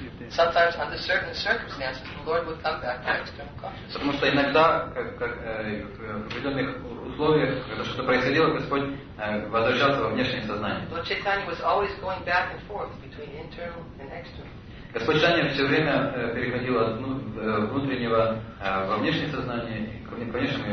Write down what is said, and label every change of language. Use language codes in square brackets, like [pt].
[en] sometimes under certain circumstances, the Lord would come back to external consciousness. [ru] Потому что иногда, как в определенных условиях, когда что-то происходило, Господь возвращался во внешнее сознание. [en] Lord Chaitanya was always going back and forth between internal and external. [ru] Господь Чайтанья все время переходил от внутреннего во внешнее сознание и к внешнему и